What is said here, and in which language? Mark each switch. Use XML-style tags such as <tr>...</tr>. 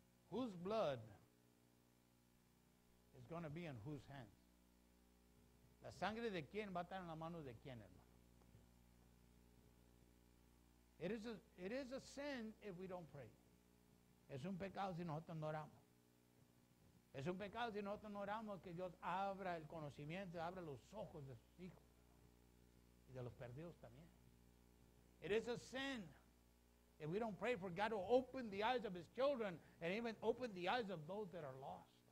<en>Whose blood is going to be in whose hands?</en> <es>¿La sangre de quién va a estar en la mano de quién, hermano?</es> <en>It is a sin if we don't pray.</en> <es>Es un pecado si nosotros no oramos. Es un pecado si nosotros no oramos que Dios abra el conocimiento, abra los ojos de sus hijos y de los perdidos también.</es> <en>It is a sin if we don't pray for God to open the eyes of his children and even open the eyes of those that are lost.</en>